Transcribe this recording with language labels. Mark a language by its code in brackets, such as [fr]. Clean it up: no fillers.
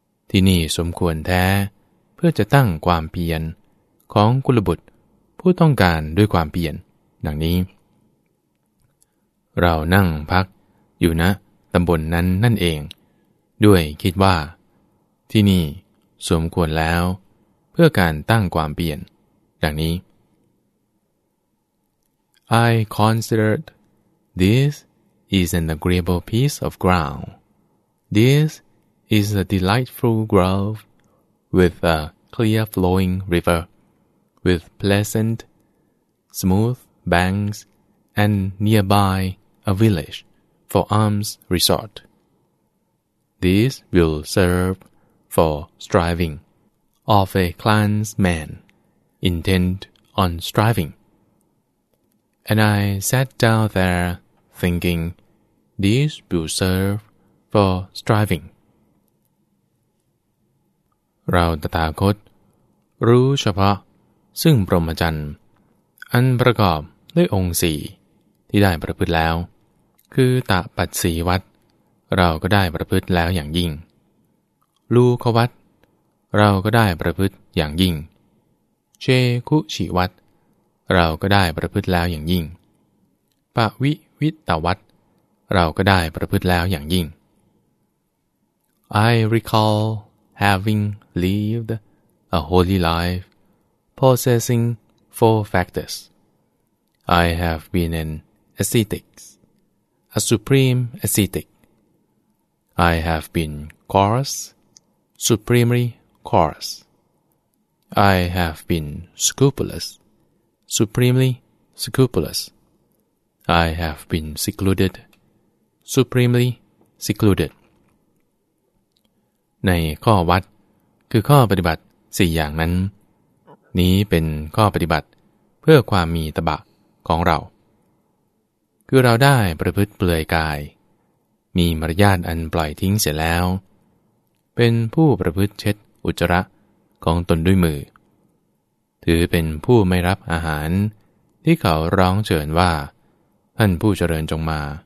[th] ที่นี่สมควรแท้เพื่อจะตั้งความเพียรของกุลบุตรผู้ต้องการด้วยความเพียรดังนี้ เรานั่งพักอยู่ณตำบลนั้นนั่นเองด้วยคิดว่าที่นี่สมควรแล้วเพื่อการตั้งความเปลี่ยนดังนี้ [en] I considered this is an agreeable piece of ground. This is a delightful grove with a clear flowing river, with pleasant smooth banks and nearby a village. For arms resort. This will serve for striving of a clansman intent on striving. And I sat down there thinking this will serve for striving. [th] เราตถาคตรู้เฉพาะซึ่งพรหมจรรย์อันประกอบด้วยองค์สี่ที่ได้ประพฤติแล้วคือตะปัจสีวัดเราก็ได้ประพฤติแล้วอย่างยิ่งลูควัดเราก็ได้ประพฤติอย่างยิ่งเชคุชิวัดเราก็ได้ประพฤติแล้วอย่างยิ่งปะวิวิตตวัดเราก็ได้ประพฤติแล้วอย่างยิ่ง [en] I recall having lived a holy life possessing four factors. I have been an ascetic. A supreme ascetic. I have been coarse, supremely coarse. I have been scrupulous, supremely scrupulous. I have been secluded, supremely secluded. [th] ในข้อวัดคือข้อปฏิบัติ4อย่างนั้นนี้เป็นข้อปฏิบัติเพื่อความมีตบะของเราคือเราได้ประพฤติเปลือยกายมีมารยาทอันปล่อยทิ้งเสร็จแล้วเป็นผู้ประพฤติเช็ดอุจจาระของตนด้วยมือถือเป็นผู้ไม่รับอาหารที่เขาร้องเชิญว่าท่านผู้เจริญจงมา